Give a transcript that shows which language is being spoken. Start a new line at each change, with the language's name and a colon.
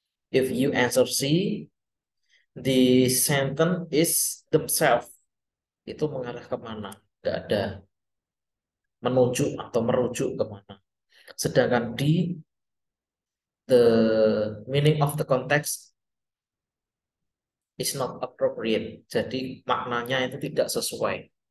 English: If you answer C, the sentence is themselves.
Indonesian: Itu mengarah kemana? Gak ada menuju atau merujuk kemana. Sedangkan
English: D, the meaning of the context is not appropriate.
Indonesian: Jadi maknanya itu tidak sesuai.